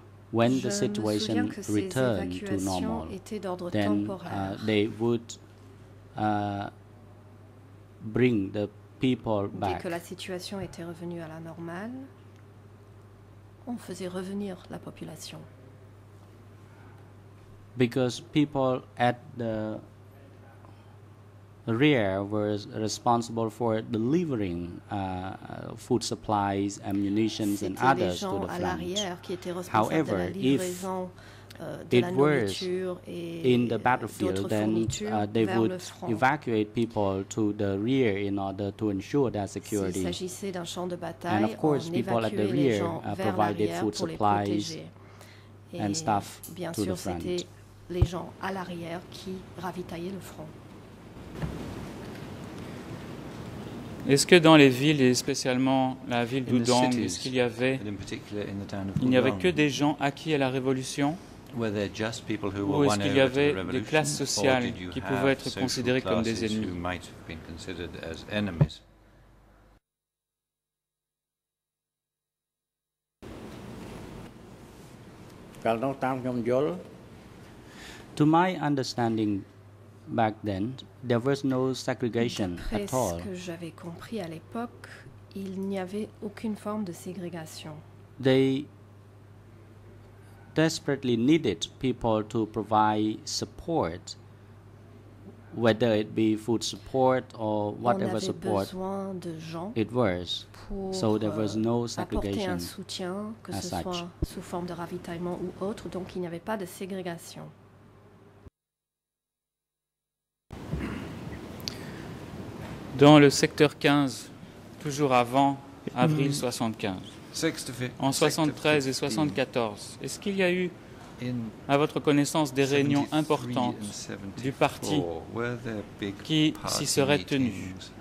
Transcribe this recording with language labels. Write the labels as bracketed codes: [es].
[en] When the situation returned to normal, then they would bring the people back. [fr] Dès que la situation était revenue à la normale, on faisait revenir la population. [en] Because people at the rear was responsible for delivering food supplies, ammunition, and others to the front. However, if it was in the battlefield, then they would evacuate people to the rear in order to ensure their security. And of course, people at the rear provided food supplies and stuff to the front. [fr] C'était les gens à l'arrière qui ravitaillaient le front. Est-ce que dans les villes, et spécialement la ville d'Udong, est-ce qu'il y avait, il n'y avait que des gens acquis à la révolution, ou est-ce qu'il y avait des classes sociales qui pouvaient être considérées comme des ennemis? [en] To my understanding, back then, there was no segregation at all. [fr] D'après ce que j'avais compris à l'époque, il n'y avait aucune forme de ségrégation. [en] They desperately needed people to provide support, whether it be food support or whatever support. [fr] On avait besoin de gens. [en] It was. So there was no segregation. [fr] Apporter un soutien, que ce soit sous forme de ravitaillement ou autre, donc il n'y avait pas de ségrégation. Dans le secteur 15, toujours avant avril 75, en 73 et 74, est-ce qu'il y a eu, à votre connaissance, des réunions importantes du parti qui s'y seraient tenues?